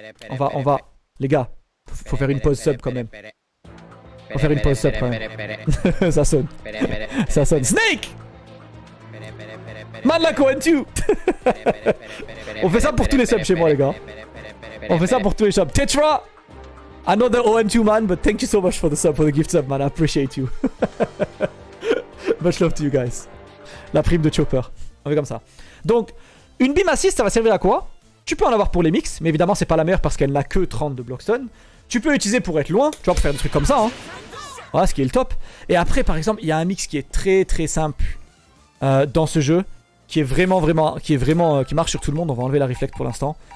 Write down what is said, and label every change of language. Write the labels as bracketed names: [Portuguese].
[French] On va. Les gars, faut faire une pause sub quand même. Faut faire une pause sub quand même. Ça sonne. Ça sonne. Snake! Madlako and you! On fait ça pour tous les subs chez moi, les gars. On fait ça pour tous les subs. Tetra! [English] Another OM2 man, but thank you so much for the sub, for the gift sub, man. I appreciate you. Much love to you guys. [French] La prime de Chopper. On fait comme ça. Donc, une beam assist, ça va servir à quoi? Tu peux en avoir pour les mix, mais évidemment, c'est pas la meilleure parce qu'elle n'a que 30 de blockstone. Tu peux l'utiliser pour être loin, tu vois, pour faire des trucs comme ça. Hein. Voilà, ce qui est le top. Et après, par exemple, il y a un mix qui est très très simple dans ce jeu, qui est vraiment, vraiment, qui est vraiment, qui marche sur tout le monde. On va enlever la reflect pour l'instant.